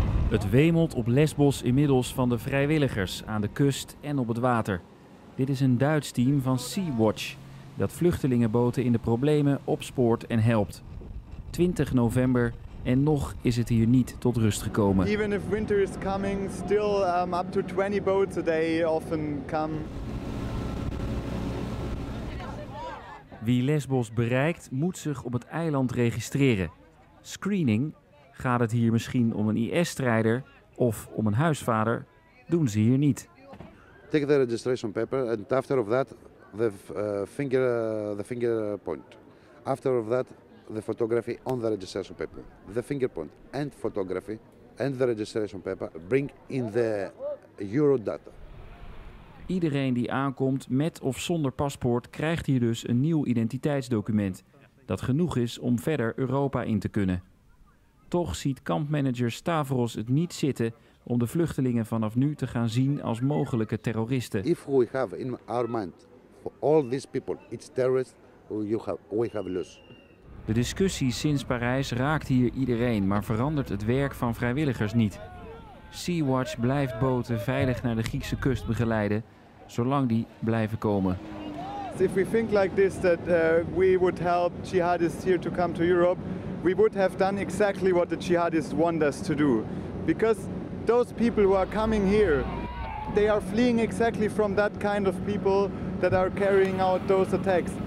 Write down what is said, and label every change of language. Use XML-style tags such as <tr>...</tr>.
<nl>Het wemelt op Lesbos inmiddels van de vrijwilligers aan de kust en op het water. Dit is een Duits team van Sea-Watch dat vluchtelingenboten in de problemen opspoort en helpt. 20 november en nog is het hier niet tot rust gekomen.</nl> <en>Even if winter is coming, still up to 20 boats a day often come.</en> <nl>Wie Lesbos bereikt, moet zich op het eiland registreren. Screening, gaat het hier misschien om een IS-strijder of om een huisvader, doen ze hier niet.</nl> <en>Take the registration paper and after of that the fingerprint. After of that the photography on the registration paper. The fingerprint and photography and the registration paper bring in the Eurodata.</en> <nl>Iedereen die aankomt met of zonder paspoort krijgt hier dus een nieuw identiteitsdocument. Dat genoeg is om verder Europa in te kunnen. Toch ziet kampmanager Stavros het niet zitten om de vluchtelingen vanaf nu te gaan zien als mogelijke terroristen.</nl> <en>If we have in our mind for all these people it's terrorists, we have lost.</en> <nl>De discussie sinds Parijs raakt hier iedereen, maar verandert het werk van vrijwilligers niet. Sea-Watch blijft boten veilig naar de Griekse kust begeleiden, zolang die blijven komen.</nl> <en>If we think like this that we would help jihadists here to come to Europe, we would have done exactly what the jihadists want us to do. Because those people who are coming here, they are fleeing exactly from that kind of people that are carrying out those attacks.</en>